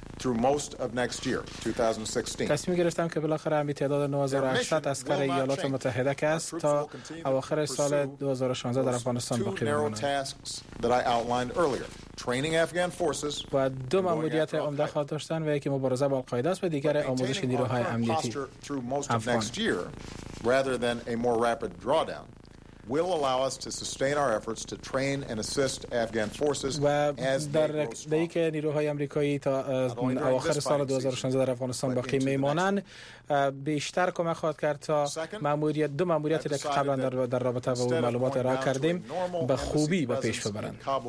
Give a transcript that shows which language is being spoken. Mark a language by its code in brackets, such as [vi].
[en] Through most of next year, 2016. [fa] تصمیم گرفتم که بالاخره همین تعداد 9800 عسکر ایالات متحده که است تا اواخر سال 2016 در افغانستان باقی بمانند. و دو ماموریت عمده خواهد داشت و یکی مبارزه با القاعده است و دیگر آموزش نیروهای امنیتی افغان. [en] Will allow us to sustain our efforts to train and assist Afghan forces as they grow stronger. [fa] بیشتر کمک خواهد کرد تا ماموریت دو ماموریت را که قبلا در رابطه با معلومات ارائه کردیم به خوبی به پیش ببرند.